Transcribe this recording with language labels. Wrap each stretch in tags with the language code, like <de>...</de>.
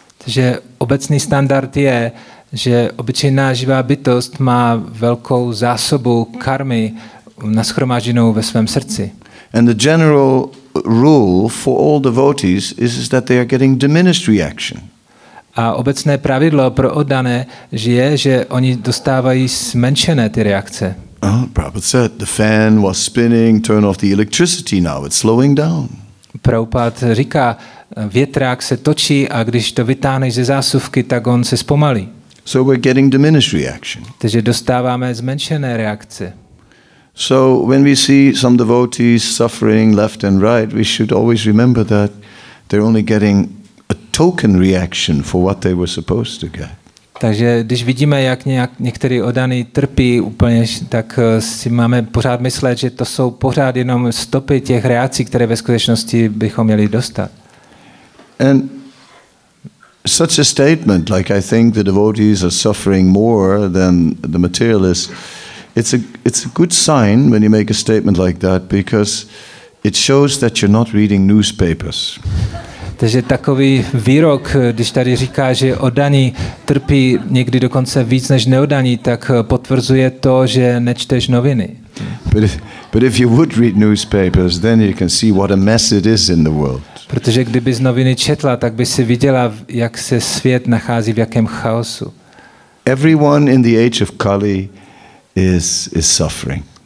<cs>Takže obecný standard je, že obyčejná živá bytost má velkou zásobu karmy nashromážděnou ve svém srdci.</cs> <en>And the general rule for all devotees is that they are getting diminished reaction.</en> <cs>A obecné pravidlo pro oddané je, že oni dostávají zmenšené ty reakce.</cs> <en>Prabhupada said the fan was spinning, turn off the electricity now, it's slowing down.</en> <cs>Prabhupada říká, větrák se točí a když to vytáhneš ze zásuvky, tak on se zpomalí.</cs> <en>So we're getting diminished reaction.</en> <cs>Takže dostáváme zmenšené reakce.</cs> <en>So when we see some devotees suffering left and right, we should always remember that they're only getting a token reaction for what they were supposed to get.</en> <cs>Takže když vidíme, jak některý oddaný trpí úplně, tak si máme pořád myslet, že to jsou pořád jenom stopy těch reakcí, které ve skutečnosti bychom měli dostat.</cs> <en>And such a statement, like I think the devotees are suffering more than the materialists, it's a good sign when you make a statement like that because it shows that you're not reading newspapers.</en> <cs>Takže takový výrok, když tady říká, že oddaní trpí někdy dokonce víc než neoddaní, tak potvrzuje to, že nečteš noviny.</cs> <en>But if you would read newspapers, then you can see what a mess it is in the world.</en> <cs>Protože kdyby z noviny četla, tak by si viděla, jak se svět nachází v jakém chaosu.</cs> <en>Everyone in the age of Kali is suffering.</en>